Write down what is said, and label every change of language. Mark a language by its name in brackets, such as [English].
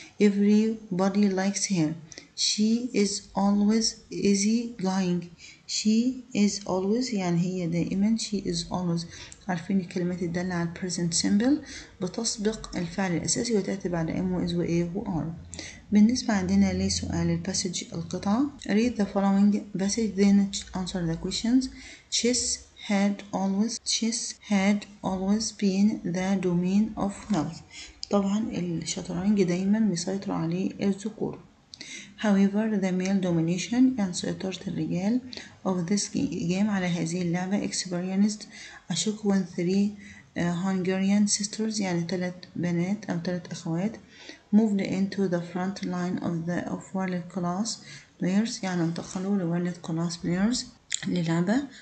[English] Everybody likes her. She is always easy going. She is always [Arabic] يعني هي دائما. She is always عارفين الكلمات الدالة على present simple بتسبق الفعل الأساسي وتأتي بعد am و is و a و are. بالنسبة عندنا لي سؤال الـ passage القطعة. [English] Read the following passage then answer the questions. Chess had always been the domain of males. [Arabic] طبعا الشطرنج دائما مسيطر عليه الذكور. [English] However, the male domination and [Arabic] سيطرة الرجال [English] of this game [Arabic] على هذه اللعبة [English] experienced a shock when three Hungarian sisters [Arabic] يعني ثلاث بنات أو ثلاث أخوات [English] moved into the front line of the of world class players [Arabic] يعني انتقلوا [English] لworld class players للعبة.